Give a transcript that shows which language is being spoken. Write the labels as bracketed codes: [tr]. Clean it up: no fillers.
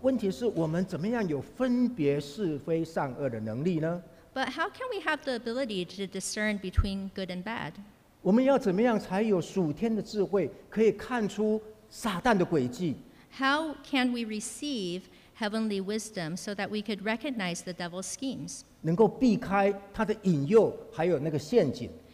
[zh] 问题是我们怎么样有分别是非善恶的能力呢? [en] But how can we have the ability to discern between good and bad? [zh] 我们要怎么样才有属天的智慧, 可以看出撒旦的诡计? [en] How can we receive heavenly wisdom so that we could recognize the devil's schemes? [zh] 能够避开他的引诱, 还有那个陷阱。